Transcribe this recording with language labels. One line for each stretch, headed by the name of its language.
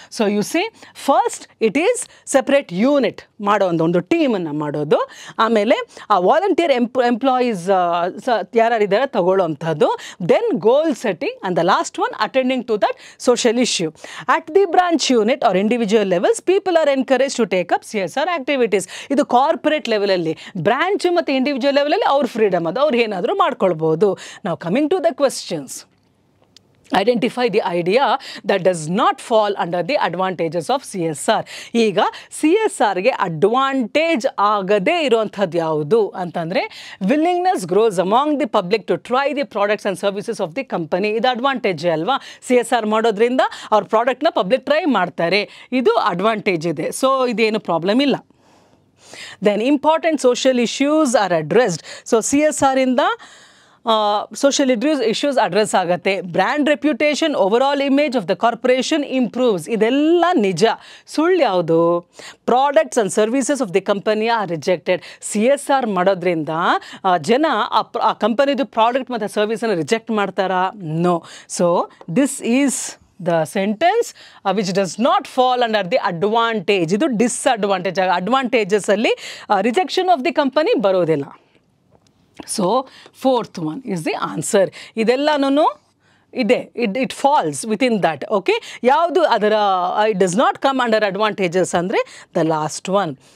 English: so you see, first it is separate unit
Kannada: ಮಾಡೋ ಒಂದು ಟೀಮನ್ನು ಮಾಡೋದು, ಆಮೇಲೆ ಆ
English: volunteer employees
Kannada: ಯಾರ್ಯಾರು ಇದ್ದಾರೆ ತಗೊಳ್ಳೋವಂಥದ್ದು,
English: Then goal setting, and the last one attending to that social issue. At the branch unit or individual levels people are encourage to take up C S R activities.
Kannada: ಇದು corporate ಲೆವೆಲಲ್ಲಿ, branch ಮತ್ತು individual ಲೆವೆಲಲ್ಲಿ ಅವ್ರ freedom ಅದು, ಅವ್ರು ಏನಾದರೂ ಮಾಡ್ಕೊಳ್ಬೋದು. ನಾವು
English: Coming to the questions. Identify the idea that does not fall under the advantages of CSR.
Kannada: ಈಗ ಸಿ ಎಸ್ ಆರ್ಗೆ ಅಡ್ವಾಂಟೇಜ್ ಆಗದೇ ಇರುವಂಥದ್ದು ಯಾವುದು ಅಂತಂದರೆ,
English: Willingness grows among the public to try the products and services of the company.
Kannada: ಇದು advantage ಅಲ್ವಾ? C S R ಮಾಡೋದ್ರಿಂದ ಅವ್ರ ಪ್ರಾಡಕ್ಟ್ನ ಪಬ್ಲಿಕ್ ಟ್ರೈ ಮಾಡ್ತಾರೆ, ಇದು ಅಡ್ವಾಂಟೇಜ್ ಇದೆ.
English: so
Kannada: ಇದೇನು ಪ್ರಾಬ್ಲಮ್ ಇಲ್ಲ.
English: Then important social issues are addressed.
Kannada: So C S R ಇಂದ ಸೋಷಿಯಲ್ ಇಶ್ಯೂಸ್ ಅಡ್ರೆಸ್ ಆಗುತ್ತೆ.
English: Brand reputation, overall image of the corporation improves.
Kannada: ಇದೆಲ್ಲ ನಿಜ. ಸುಳ್ಳು ಯಾವುದು?
English: Products and services of the company are rejected.
Kannada: C S R ಮಾಡೋದ್ರಿಂದ ಜನ ಆ ಕಂಪನಿದು ಪ್ರಾಡಕ್ಟ್ ಮತ್ತು ಸರ್ವಿಸನ್ನು ರಿಜೆಕ್ಟ್ ಮಾಡ್ತಾರಾ?
English: No. So this is the sentence which does not fall under the advantage.
Kannada: ಇದು ಡಿಸ್ಅಡ್ವಾಂಟೇಜ್. ಅಡ್ವಾಂಟೇಜಸ್ ಅಲ್ಲಿ ರಿಜೆಕ್ಷನ್ ಆಫ್ ದಿ ಕಂಪನಿ ಬರೋದಿಲ್ಲ.
English: So fourth one is the answer.
Kannada: ಇದೆಲ್ಲನೂ ಇದೆ,
English: It falls within that. Okay,
Kannada: ಯಾವುದು ಅದರ
English: it does not come under advantages
Kannada: ಅಂದರೆ
English: The last one.